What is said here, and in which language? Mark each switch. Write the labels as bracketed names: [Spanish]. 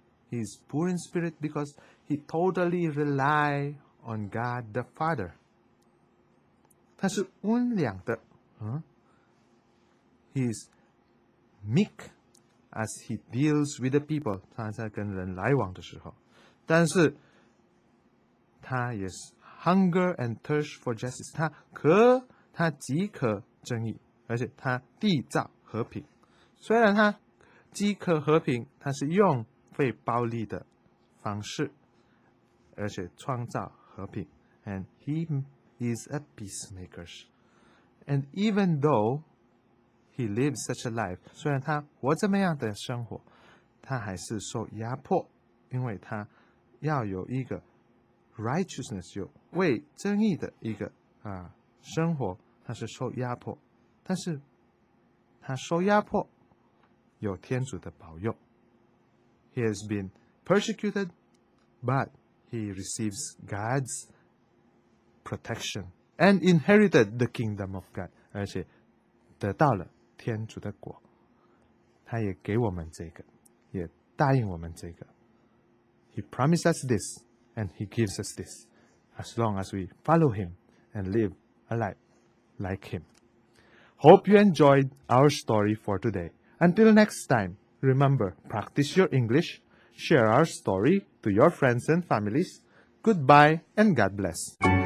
[English] He is poor in spirit because he totally rely on God the Father. [Chinese] 他是温良的。 [English] He is meek as he deals with the people， [Chinese] 他在跟人来往的时候。但是他也是 [English] hunger and thirst for justice， [Chinese] 他饥渴正义，而且他缔造和平。虽然他饥渴和平，他是用非暴力的方式，而且创造和平。 [English] And he is a peacemaker. And even though he lives such a life， [Chinese] 虽然他活这么样的生活，他还是受压迫，因为他要有一个 righteousness， 有为正义的一个生活，他是受压迫，但是他受压迫。有天主的保佑。 [English] He has been persecuted but he receives God's protection and inherited the kingdom of God， [Chinese] 而且得到了天主的国。他也给我们这个，也答应我们这个。 [English] He promised us this and he gives us this as long as we follow him and live a life like him。 Hope you enjoyed our story for today. Until next time, remember, practice your English. Share our story to your friends and families. Goodbye and God bless.